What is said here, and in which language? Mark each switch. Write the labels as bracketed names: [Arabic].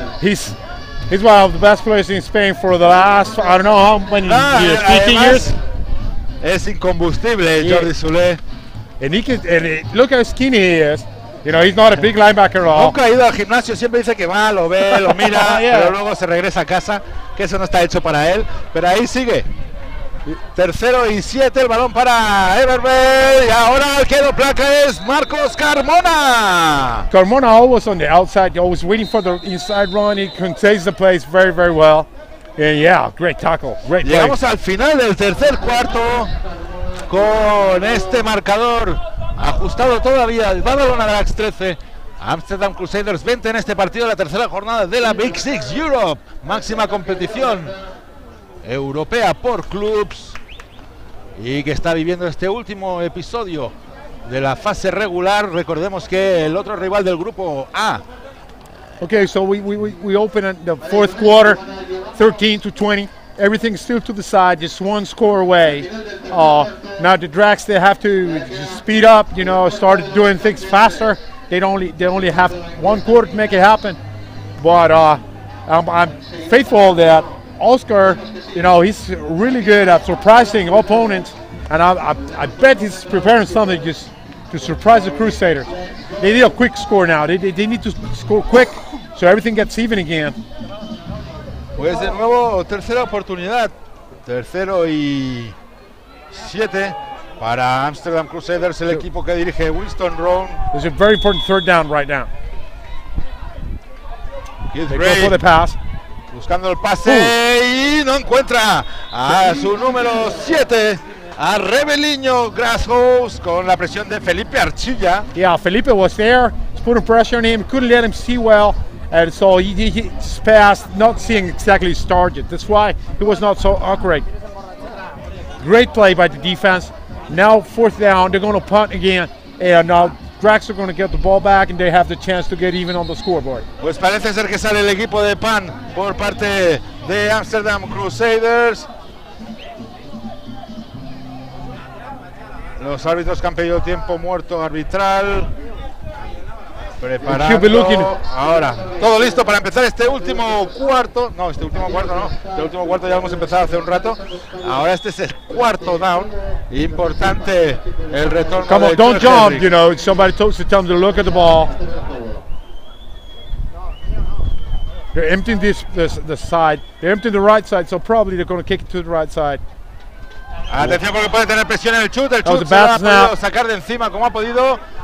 [English] He's one of the best players in Spain for the last, I don't know how many years, 15 years. [Spanish] Es incombustible, [English] yeah, [Spanish] Jordi Soule. [English] And he can, and it, look how skinny he is. You know, he's not a big linebacker at all. [Spanish] Nunca ha ido al gimnasio, siempre dice que va, lo ve, lo mira, [English] yeah, [Spanish] pero luego se regresa a casa, que eso no está hecho para él. Pero ahí sigue. Tercero y 7, el balón para Everbell. Y ahora el que lo placa es Marcos Carmona. [English] Carmona always on the outside, always waiting for the inside run. He contains the place very, very well. And yeah, great tackle, great play. [Spanish] Llegamos al final del tercer cuarto con este marcador ajustado todavía. Badalona Drax 13, Amsterdam Crusaders 20 en este partido, la tercera jornada de la Big Six Europe, máxima competición europea por clubs, y que está viviendo este último episodio de la fase regular. Recordemos que el otro rival del grupo A. [English] Okay, so we open in the fourth quarter, 13-20. Everything's still to the side, just one score away. Now the Drax, they have to speed up, you know, start doing things faster. They only have one quarter to make it happen. But I'm faithful that Oscar, you know, he's really good at surprising opponents, and I bet he's preparing something just to surprise the Crusaders. They need a quick score now. They need to score quick, so everything gets even again. [Spanish] Pues de nuevo, tercera oportunidad. Tercero y 7 para Amsterdam Crusaders, el equipo que dirige Winston Roan. [English] It's a very important third down right now. Gives they go for the pass. [Spanish] Buscando el pase. Ooh. Y no encuentra a su número 7. A Rebeliño Grasshouse con la presión de Felipe Archilla. [English] Yeah, Felipe was there, putting pressure on him, couldn't let him see well, and so he just passed, not seeing exactly his target. That's why he was not so accurate. Great play by the defense. Now fourth down, they're going to punt again, and now Drax are going to get the ball back, and they have the chance to get even on the scoreboard. [Spanish] Pues parece ser que sale el equipo de pan por parte de Amsterdam Crusaders. Los árbitros que han pedido tiempo muerto arbitral. Preparando. Ahora, todo listo para empezar este último cuarto. No, este último cuarto no. Este último cuarto ya hemos empezado hace un rato. Ahora este es el cuarto down. Importante el retorno. [English] Come on, don't jump, you know. Somebody told to tell them to look at the ball. They're emptying the side. They're emptying the right side, so probably they're going to kick it to the right side. [Spanish] Atención porque puede tener presión en el chute se va a poder sacar de encima como ha podido.